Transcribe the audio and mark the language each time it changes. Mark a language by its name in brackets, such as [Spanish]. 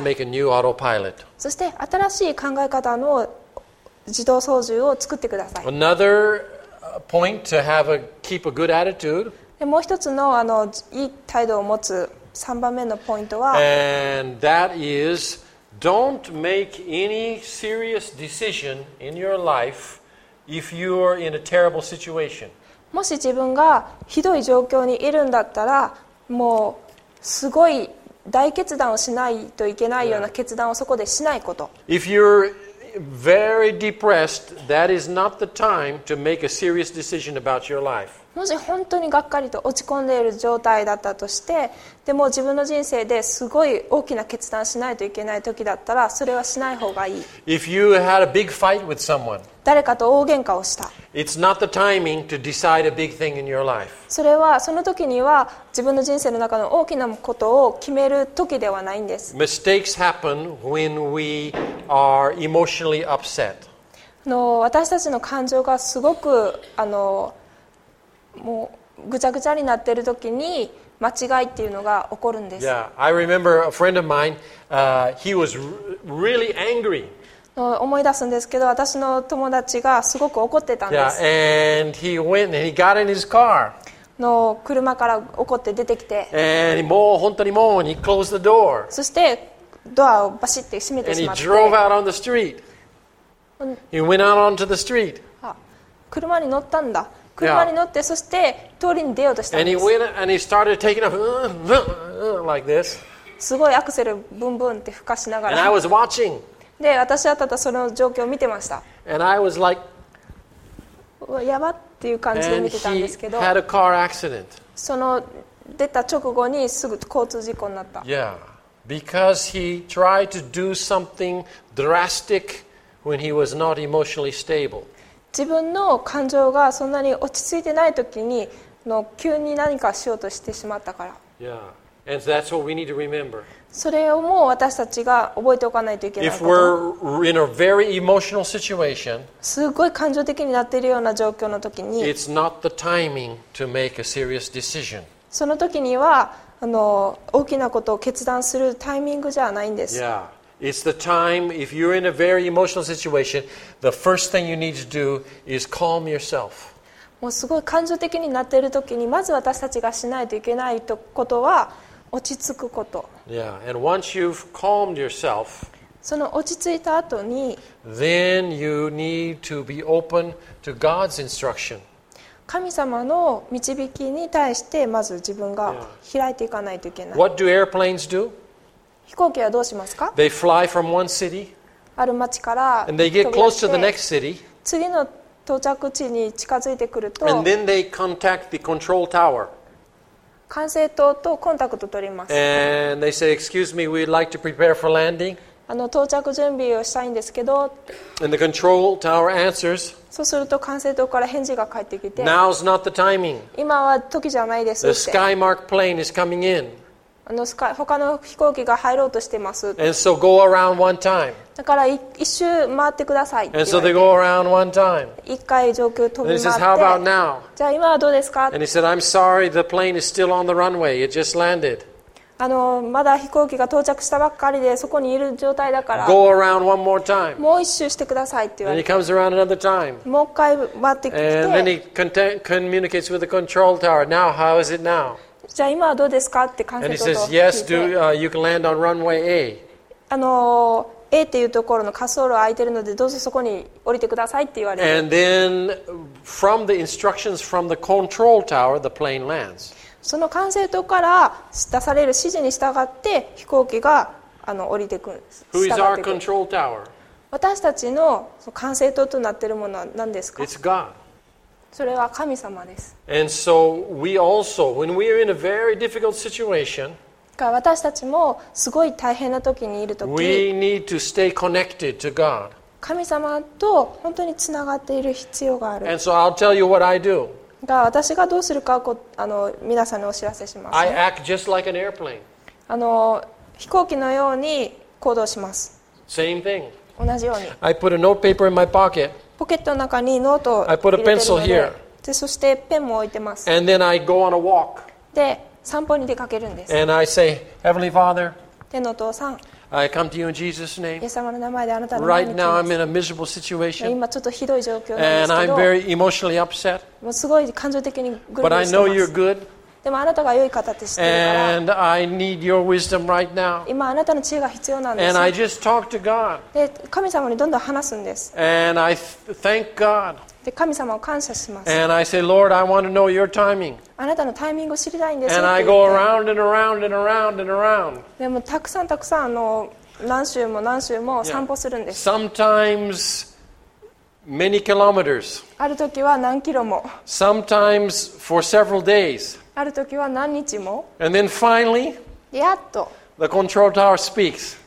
[English] And begin to make a new autopilot. [Japanese] そして新しい考え方の自動操縦を作ってください。 [English] Another point to have a keep a good attitude. [Japanese] でもう一つのいい態度を持つ3番目のポイントは、 [English] And that is, don't make any serious decision in your life if you are in a terrible situation. [Japanese] もし自分がひどい状況にいるんだったら、もうすごい大決断をしないといけないような決断をそこでしないこと。 [English] Yeah. If you're very depressed, that is not the time to make a serious decision about your life. [Japanese] もし本当にがっかりと落ち込んでいる状態だったとして、でも自分の人生ですごい大きな決断しないといけない時だったら、それはしない方がいい。 [English] If you had a big fight with someone, [Japanese] 誰かと大喧嘩をした、 [English] It's not the timing to decide a big thing in your life. [Japanese] それはその時には自分の人生の中の大きなことを決める時ではないんです。 [English] Mistakes happen when we are emotionally upset. [Japanese] 私たちの感情がすごくもうぐちゃぐちゃになっている時に間違いっていうのが起こるんです。 [English] Yeah, I remember a friend of mine, he was really angry. [Japanese] 思い出すんですけど、私の友達がすごく怒ってたんです。 [English] Yeah, and he went and he got in his car. [Japanese] の車から怒って出てきて、 [English] and [Japanese] もう本当にもう、 [English] and he closed the door. [Japanese] そしてドアをバシッて閉めてしまって、 [English] and he drove out on the street. He went out onto the street. [Japanese] 車に乗ったんだ。車に乗って、そして通りに出ようとしたんです。 [English] And he went and he started taking off, like this. [Japanese] すごいアクセルブンブンって吹かしながら。 [English] And I was watching. [Japanese] で、私はただその状況を見てました。 [English] And I was like, [Japanese] やばっていう感じで見てたんですけど。 [English] And he had a car accident. [Japanese] その出た直後にすぐ交通事故になった。 [English] Yeah, because he tried to do something drastic when he was not emotionally stable. [Japanese] 自分の感情がそんなに落ち着いてないときに、急に何かしようとしてしまったから。 [English] Yeah. And that's what we need to remember. [Japanese] それをもう私たちが覚えておかないといけないこと。 [English] If we're in a very emotional situation, [Japanese] すごい感情的になっているような状況のときに、 [English] it's not the timing to make a serious decision. [Japanese] そのときには、大きなことを決断するタイミングじゃないんです。 [English] Yeah. It's the time, if you're in a very emotional situation, the first thing you need to do is calm yourself. [Japanese] もうすごい感情的になっている時に、まず私たちがしないといけないことは、落ち着くこと。 [English] Yeah, and once you've calmed yourself, [Japanese] その落ち着いた後に、 [English] then you need to be open to God's instruction. [Japanese] 神様の導きに対して、まず自分が開いていかないといけない。 [English] What do airplanes do? [Japanese] 飛行機はどうしますか? [English] They fly from one city, [Japanese] ある町から飛び出して [English] the next city, [Japanese] 次の到着地に近づいてくると [English] and then they contact the control tower. [Japanese] 管制塔とコンタクト取ります。 [English] And they say, "Excuse me, we'd like to prepare for landing." [Japanese] 到着準備をしたいんですけど。 [English] And the control tower answers, [Japanese] そうすると管制塔から返事が返ってきて [English] Now's not the timing. [Japanese] 今は時じゃないですって。 [English] The Skymark plane is coming in. [Japanese] 他の飛行機が入ろうとしてます。 [English] And so go around one time. [Japanese] だから一周回ってくださいって言われて。 [English] And so they go around one time. [Japanese] 一回上空飛び回って。 [English] And he says, "How about now?" [Japanese] じゃあ今はどうですか? [English] And he said, "I'm sorry, the plane is still on the runway. It just landed." [Japanese] まだ飛行機が到着したばっかりでそこにいる状態だから。 [English] Go around one more time. [Japanese] もう一周してくださいって言われて。 [English] And he comes around another time. [Japanese] もう一回回ってきて。 [English] And then he communicates with the control tower. Now, how is it now? [Japanese] じゃあ今はどうですかって管制塔と聞いて [English] And he says, yes, do, you can land on runway A. [Japanese] A っていうところの滑走路空いてるのでどうぞそこに降りてくださいって言われる。 [English] And then from the instructions from the control tower, the plane lands. [Japanese] その管制塔から出される指示に従って飛行機が降りてくる。 [English] Who is our control tower? [Japanese] 私たちの管制塔となっているものは何ですか? [English] It's God. [Japanese] それは神様です。 [English] And so we also, when we are in a very difficult situation, [Japanese] 私たちもすごい大変な時にいる時、 [English] we need to stay connected to God. [Japanese] 神様と本当につながっている必要がある。 [English] And so I'll tell you what I do. [Japanese] 私がどうするかを皆さんにお知らせします、ね。 [English] I act just like an airplane. [Japanese] 飛行機のように行動します。 [English] Same thing. [Japanese] 同じように。 [English] I put a note paper in my pocket. [Japanese] ポケットの中にノートを入れてるので、で、そしてペンも置いてます。 [English] And then I go on a walk. [Japanese] で、散歩に出かけるんです。 [English] And I say, Heavenly Father, [Japanese] 天のお父さん、 [English] I come to you in Jesus' name. [Japanese] イエス様の名前であなたの前に来ます。 [English] Right now I'm in a miserable situation. [Japanese] 今ちょっとひどい状況なんですけど、 [English] And I'm very emotionally upset. [Japanese] もうすごい感情的にグルグルしてます。 [English] But I know you're good. [Japanese] でもあなたが良い方って知ってるから。 [English] And I need your wisdom right now. [Japanese] 今あなたの知恵が必要なんです。 [English] And I just talk to God. [Japanese] で、神様にどんどん話すんです。 [English] And I thank God. [Japanese] で神様を感謝します。 [English] And I say, Lord, I want to know your timing. [Japanese] あなたのタイミングを知りたいんです。 [English] And I go around and around and around and around. [Japanese] でもたくさんたくさん何周も何周も散歩するんです。 [English] Yeah. Sometimes many kilometers. [Japanese] ある時は何キロも。 [English] Sometimes for several days. [Japanese] ある時は何日も。 [English] And then finally, [Japanese] やっと [English] the control tower speaks.